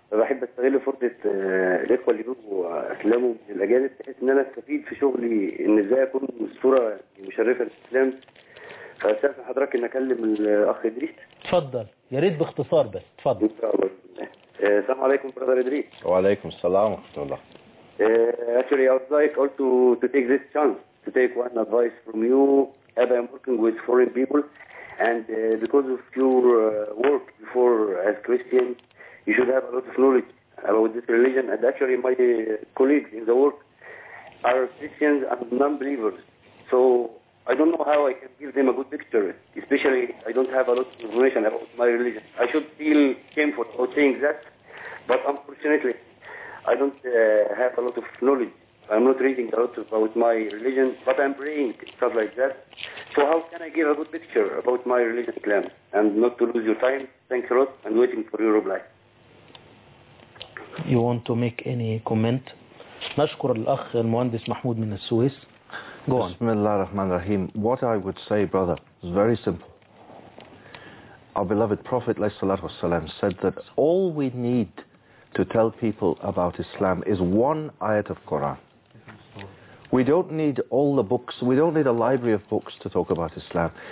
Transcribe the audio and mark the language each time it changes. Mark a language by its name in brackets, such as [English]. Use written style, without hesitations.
[Arabic] بحب استغل فرصه الاخوه اللي بيجوا افلامهم الاجانب، بحيث ان انا استفيد في شغلي ان ازاي اكون صوره مشرفه للاسلام. فاستاذن حضرتك ان اكلم الاخ ادريس. اتفضل، يا ريت باختصار بس. اتفضل. السلام عليكم برادر ادريس. وعليكم السلام ورحمه الله. [English] Actually I would like also to take this chance to take one advice from you. As I'm working with foreign people and because of your work before as Christian, you should have a lot of knowledge about this religion. And actually, my colleagues in the work are Christians and non-believers. So I don't know how I can give them a good picture, especially I don't have a lot of information about my religion. I should feel shameful for saying that, but unfortunately, I don't have a lot of knowledge. I'm not reading a lot about my religion, but I'm praying, stuff like that. So how can I give a good picture about my religion claim? And not to lose your time, thanks a lot, and waiting for your reply. You want to make any comment? [Arabic] نشكر الأخ المهندس محمود من السويس. [English] Go on. [Arabic] بسم الله الرحمن الرحيم. [English] What I would say, brother, is very simple. Our beloved Prophet, peace be upon him, said that all we need to tell people about Islam is one ayat of Quran. We don't need all the books, we don't need a library of books to talk about Islam.